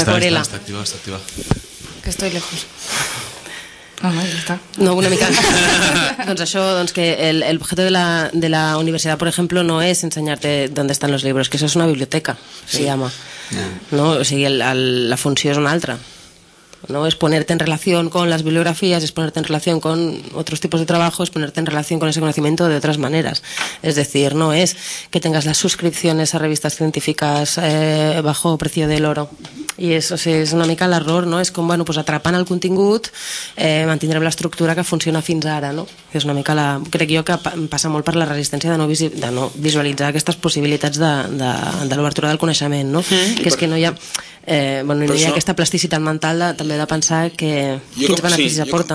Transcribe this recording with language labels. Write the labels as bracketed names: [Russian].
[Spanish] acuarela. Está activa. Que estoy lejos. No, [Catalan] una mica. Doncs això, doncs que el objecte de la universitat, per exemple, no és ensenyar-te d'on estan els llibres, que això és una biblioteca, sí. [Spanish] Se llama. [English] Yeah. [Catalan] No, o sigui, la funció és una altra. No és [Spanish] ponerte en relación con las bibliografías, es ponerte en relación con otros tipos de trabajo, es ponerte en relación con ese conocimiento de otras maneras. Es decir, no es que tengas las suscripciones a revistas científicas bajo precio del oro. Y eso, o sea, [Catalan] es una mica l'error, no? És com, bueno, pues atrapen el contingut, mantindrem l'estructura que funciona fins ara, no? És una mica crec jo que passa molt per la resistència de no visualitzar aquestes possibilitats de l'obertura del coneixement, no? Que és que no hi ha bueno, no hi ha això, aquesta plasticitat mental també de pensar que quins beneficis aporta.